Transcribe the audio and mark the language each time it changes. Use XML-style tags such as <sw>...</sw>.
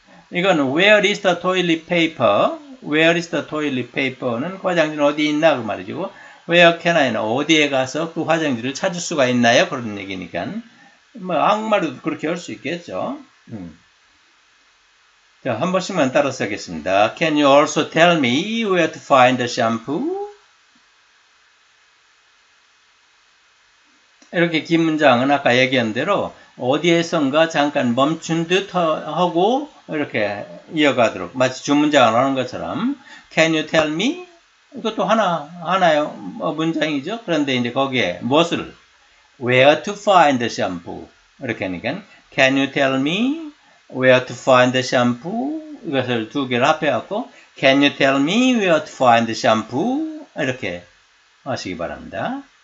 <en>이건 Where is the toilet paper? Where is the toilet paper?는</en> <ko>화장지는 어디 있나 그 말이죠.</ko> <en>Where can I?</en> <ko>어디에 가서 그 화장지를 찾을 수가 있나요? 그런 얘기니까 뭐 한국말로도 그렇게 할 수 있겠죠. 자, 한 번씩만 따라서 하겠습니다.</ko> <en>Can you also tell me where to find the shampoo?</en> <ko>이렇게 긴 문장은 아까 얘기한 대로 어디에선가 잠깐 멈춘 듯 하고 이렇게 이어가도록. 마치 주문장 안 하는 것처럼.</ko> <en>Can you tell me?</en> <ko>이것도 하나의 문장이죠. 그런데 이제 거기에 무엇을?</ko> <en>Where to find the shampoo?</en> <ko>이렇게 하니까.</ko> <en>Can you tell me where to find the shampoo?</en> <ko>이것을 두 개를 합해갖고.</ko> <en>Can you tell me where to find the shampoo?</en> <ko>이렇게 하시기 바랍니다.</ko>